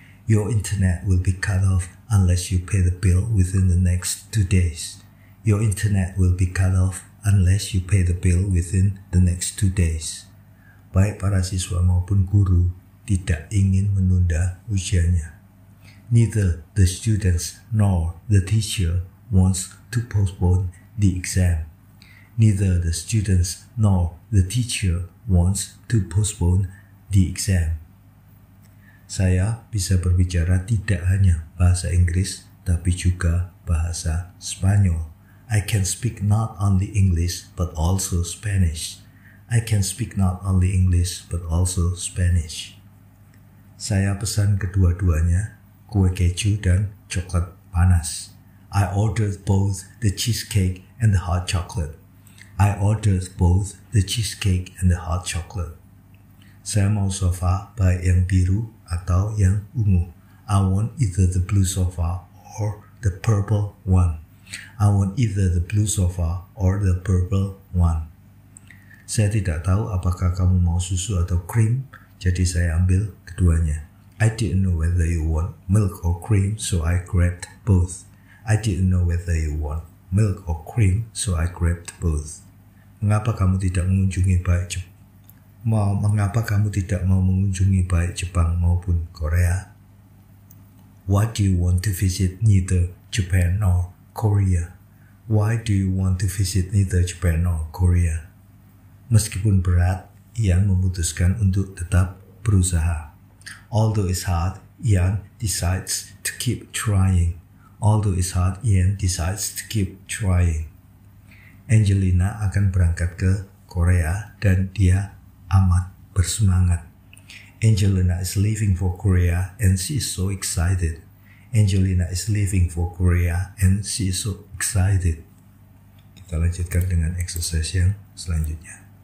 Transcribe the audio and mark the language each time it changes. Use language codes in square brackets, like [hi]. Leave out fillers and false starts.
[en] Your internet will be cut off unless you pay the bill within the next 2 days. Your internet will be cut off unless you pay the bill within the next 2 days. [id] Baik para siswa maupun guru tidak ingin menunda ujiannya. [en] Neither the students nor the teacher wants to postpone the exam. Neither the students nor the teacher wants to postpone the exam. [id] Saya bisa berbicara tidak hanya bahasa Inggris, tapi juga bahasa Spanyol. [en] I can speak not only English, but also Spanish. I can speak not only English, but also Spanish. [id] Saya pesan kedua-duanya, kue keju dan coklat panas. [en] I ordered both the cheesecake and the hot chocolate. I ordered both the cheesecake and the hot chocolate. [id] Saya mau sofa baik yang biru atau yang ungu. [en] I want either the blue sofa or the purple one. I want either the blue sofa or the purple one. [id] Saya tidak tahu apakah kamu mau susu atau krim, jadi saya ambil keduanya. [en] I didn't know whether you want milk or cream, so I grabbed both. I didn't know whether you want milk or cream, so I grabbed both. [id] Mengapa kamu tidak mengunjungi baik mau mengapa kamu tidak mau mengunjungi baik Jepang maupun Korea? [en] Why do you want to visit neither Japan nor Korea? Why do you want to visit neither Japan nor Korea? [id] Meskipun berat, Ian memutuskan untuk tetap berusaha. [en] Although it's hard, Ian decides to keep trying. Although it's hard, Ian decides to keep trying. [id] Angelina akan berangkat ke Korea dan dia amat bersemangat. [en] Angelina is leaving for Korea and she is so excited. Angelina is leaving for Korea and she is so excited. [id] Kita lanjutkan dengan exercise yang selanjutnya.